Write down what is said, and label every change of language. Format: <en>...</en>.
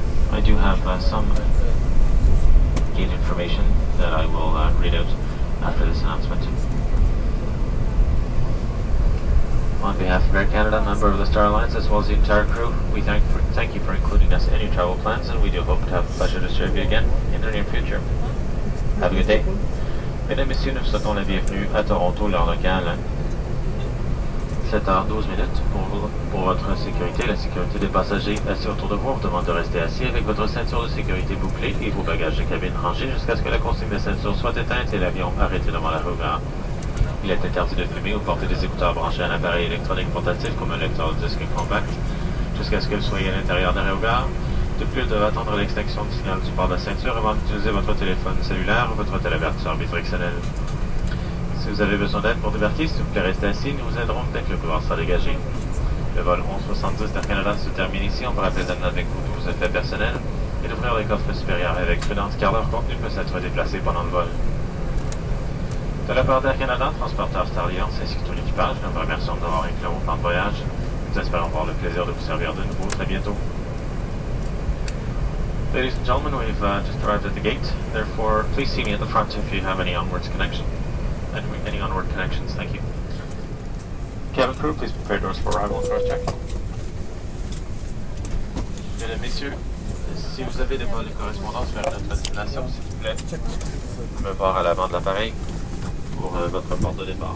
<en>I do have some gate information that I will read out after this announcement. On behalf of Air Canada, member of the Star Alliance, as well as the entire crew, we thank you for including us in your travel plans, and we do hope to have the pleasure to serve you again in the near future. Have a good day.</en> <fr>Mesdames et messieurs, nous souhaitons la bienvenue à Toronto, l'heure locale. 7h12 pour votre sécurité, la sécurité des passagers assis autour de vous, vous demande de rester assis avec votre ceinture de sécurité bouclée et vos bagages de cabine rangés jusqu'à ce que la consigne de ceinture soit éteinte et l'avion arrêté devant l'aérogare. Il est interdit de fumer ou porter des écouteurs branchés à un appareil électronique portatif comme un lecteur de disque compact jusqu'à ce que vous soyez à l'intérieur d'un aérogare. De plus, vous devez attendre l'extinction du signal du port de la ceinture avant d'utiliser votre téléphone cellulaire ou votre télévertisseur bidirectionnel. Si vous avez besoin d'aide pour débarquer, s'il vous plaît, restez assis, nous vous aiderons dès que le couloir sera dégagé. Le vol 1170 d'Air Canada se termine ici. On vous rappelle d'amener avec vous tous vos effets personnels et d'ouvrir les coffres supérieurs avec prudence car leur contenu peut s'être déplacé pendant le vol. De la part d'Air Canada, transporteur Star Alliance ainsi que tout l'équipage, nous vous remercions d'avoir éclairé vos plans de voyage. Nous espérons avoir le plaisir de vous servir de nouveau très bientôt.</fr> <en>Ladies and gentlemen, we've just arrived at the gate. Therefore, please see me at the front if you have any onwards connection. Any onward connections, thank you. Cabin crew, please prepare doors for arrival and cross-check.</en> <fr>Mesdames, messieurs, si vous avez des vols de correspondance vers notre destination, s'il vous plaît, me voir à l'avant de l'appareil pour votre porte de départ.</fr>